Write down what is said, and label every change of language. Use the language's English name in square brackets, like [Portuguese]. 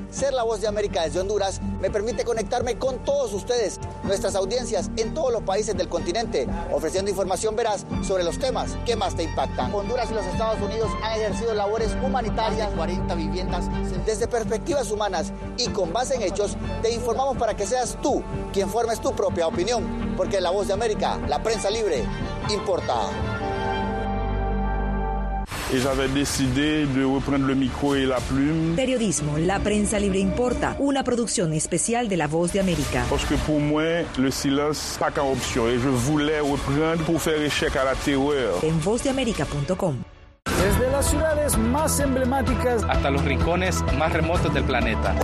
[Spanish] Ser La Voz de América desde Honduras me permite conectarme con todos ustedes, nuestras audiencias en todos los países del continente, ofreciendo información veraz sobre los temas que más te impactan. Honduras y los Estados Unidos han ejercido labores humanitarias. 40 viviendas. Desde perspectivas humanas y con base en hechos, te informamos para que seas tú quien formes tu propia opinión. Porque La Voz de América, la prensa libre, importa. [French] Y j'avais décidé de reprendre le micro [Spanish] y [French] la plume. [Spanish] Periodismo, la prensa libre importa. Una producción especial de La Voz de América. Porque para mí, el silencio no es una opción. Y yo quería [French] reprendre [Spanish] para hacer [French] échec [Spanish] a la terror. En vozdeamerica.com. Desde las ciudades más emblemáticas hasta los rincones más remotos del planeta,